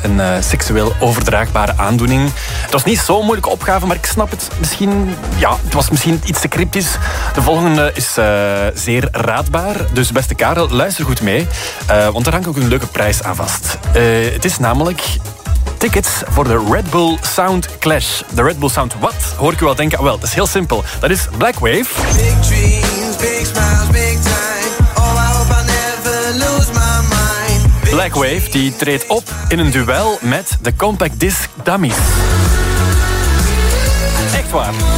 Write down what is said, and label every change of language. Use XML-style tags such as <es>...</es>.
<nl>Een seksueel overdraagbare aandoening. Het was niet zo'n moeilijke opgave, maar ik snap het misschien. Ja, het was misschien iets te cryptisch. De volgende is zeer raadbaar. Dus beste Karel, luister goed mee. Want daar hangt ook een leuke prijs aan vast. Het is namelijk tickets voor de Red Bull Sound Clash. De Red Bull Sound wat? Hoor ik u al denken? Wel, het is heel simpel. Dat is Black Wave.</nl> <en>Big dreams, big smiles, big time.</en> <nl>Black Wave die treedt op in een duel met de Compact Disc Dummies. Echt waar.</nl>